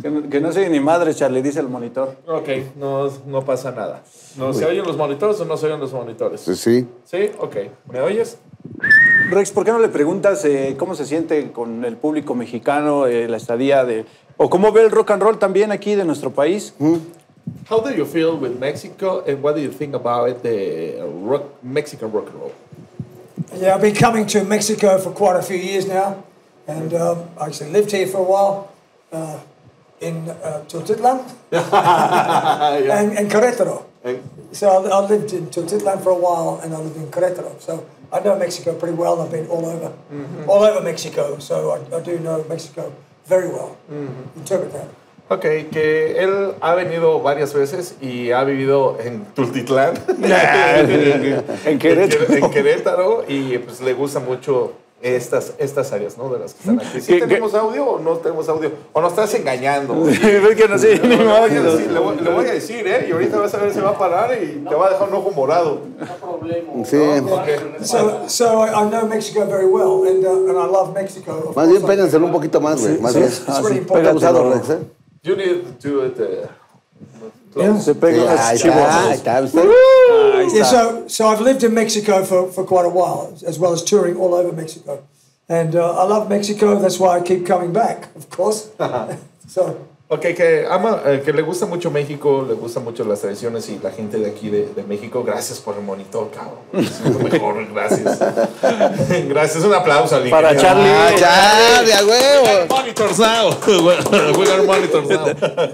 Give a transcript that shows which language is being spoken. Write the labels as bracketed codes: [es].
[es] Que no soy ni madre, Charlie, dice el monitor. Ok, no pasa nada. No, ¿se oyen los monitores o no se oyen los monitores? Sí. ¿Sí? Ok. ¿Me oyes? Rex, ¿por qué no le preguntas cómo se siente con el público mexicano, la estadía de... o cómo ve el rock and roll también aquí de nuestro país? [en] How do you feel with Mexico and what do you think about the rock, Mexican rock and roll? Yeah, I've been coming to Mexico for quite a few years now and I actually lived here for a while in Tultitlan and Querétaro. So I lived in Tultitlan for a while and I lived in Querétaro. So I know Mexico pretty well. I've been all over Mexico. So I do know Mexico very well. Mm-hmm. Interpret that. [es] Okay, que él ha venido varias veces y ha vivido en Tultitlán. En Querétaro. En Querétaro. Y pues le gusta mucho estas áreas, ¿no? De las que están aquí. ¿Sí tenemos audio o no tenemos audio? ¿O nos estás engañando? Es que no sé ni modo. Le voy a decir, ¿eh? Y ahorita vas a ver si va a parar y no, te va a dejar un ojo morado. No hay problema. Sí. ¿No? Okay. [en] So I know Mexico very well and I love Mexico. [es] Más bien, pénganse un poquito más, güey. Más bien. Pero abusado, Rex, ¿eh? [en] You need to do it... [es] Yeah. Se pega [en] So I've lived in Mexico for quite a while, as well as touring all over Mexico. And I love Mexico, that's why I keep coming back, of course. So. [es] Okay, que ama, que le gusta mucho México, le gustan mucho las tradiciones y la gente de aquí de México. Gracias por el monitor, cabrón. Es lo mejor, gracias. Gracias, un aplauso. Al para Charlie. Ah, Charlie, a huevo. [en] We got monitors now. We got monitors now.